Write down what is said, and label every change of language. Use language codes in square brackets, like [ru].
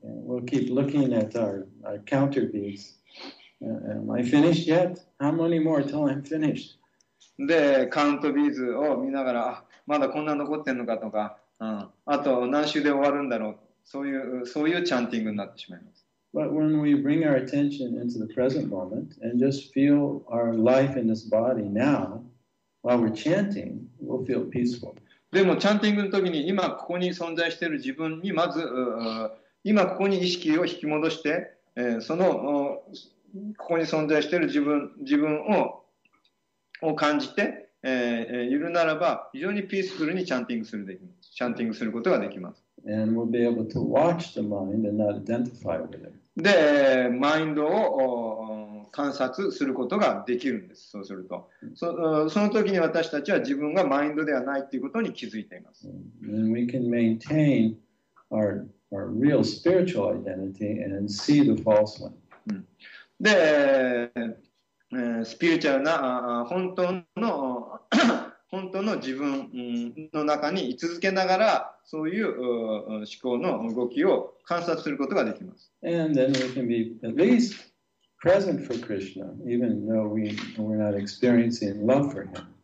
[en] We'll keep looking at our counter beads. Am I finished yet? How many more till I'm finished? [ja] で、カウントビーズを見ながら、まだこんな残ってんのかとか、あと何周で終わるんだろう。そういうチャンティングになってしまいます。 [en] But when we bring our attention into the present moment and just feel our life in this body now, while we're chanting, we'll feel peaceful. [ja] でもチャンティングの時に今ここに存在している自分にまず、今ここに意識を引き戻して、そのここに存在している自分を感じて、いるならば、非常にピースフルにチャンティングすることができます。 [en] And we'll be able to watch the mind and not identify with it. [ja] で、マインドを観察することができるんです、そうすると。その時に私たちは自分がマインドではないということに気づいています。 [en] And we can maintain our real spiritual identity and see the false one. [ja] で、スピリチュアルな本当の自分の中に居続けながらそういう思考の動きを観察することができます。 [en] And then we can be at least present for Krishna, even though we're not experiencing love for him.